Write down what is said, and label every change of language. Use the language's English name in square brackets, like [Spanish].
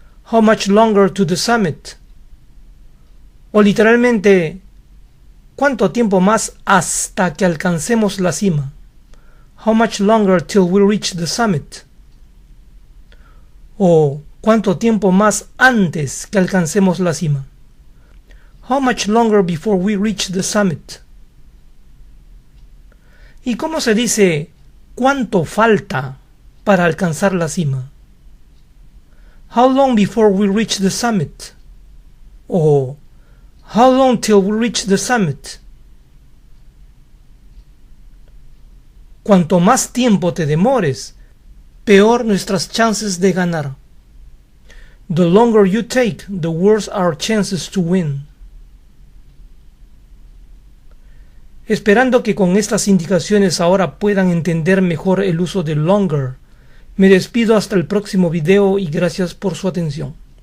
[English] How much longer to the summit? [Spanish] O literalmente, ¿cuánto tiempo más hasta que alcancemos la cima? [English] How much longer till we reach the summit? O, [Spanish] ¿Cuánto tiempo más antes que alcancemos la cima? [English] How much longer before we reach the summit? [Spanish] ¿Y cómo se dice cuánto falta para alcanzar la cima? [English] How long before we reach the summit? O how long till we reach the summit? [Spanish] Cuanto más tiempo te demores, peor nuestras chances de ganar. [English] The longer you take, the worse our chances to win. [Spanish] Esperando que con estas indicaciones ahora puedan entender mejor el uso de longer, me despido hasta el próximo video y gracias por su atención.